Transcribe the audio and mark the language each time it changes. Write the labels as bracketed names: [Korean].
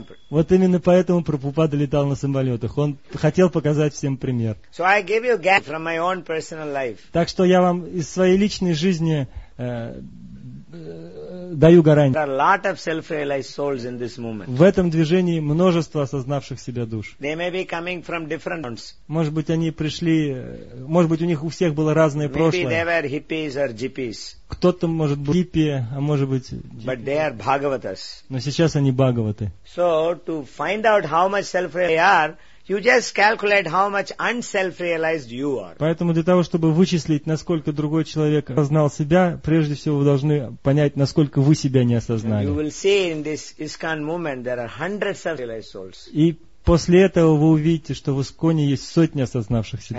[Russian] Вот именно поэтому Прабхупада летал на самолетах. Он хотел показать всем пример. [English] So I give you a from my own personal life. [Russian] Так что я вам из своей личной жизни даю гарантию. [English] There are a lot of self-realized souls in this movement. [Russian] В этом движении множество осознавших себя душ. [English] They may be coming from different homes. [Russian] Может быть, они пришли, может быть, у них у всех было разное прошлое. [English] Maybe they were hippies or gypsies. [Russian] Кто-то может быть хиппи, а может быть. [English] But they are Bhagavatas. [Russian] Но сейчас они Бхагаваты. [English] So to find out how much self-realized they are, you just calculate how much unself-realized you are. [Russian] Поэтому для того, чтобы вычислить, насколько другой человек осознал себя, прежде всего вы должны понять, насколько вы себя не осознали. [English] You will see in this ISKCON movement there are hundreds of realized souls. [Russian] И после этого вы увидите, что в ИСККОНе есть сотни осознавших себя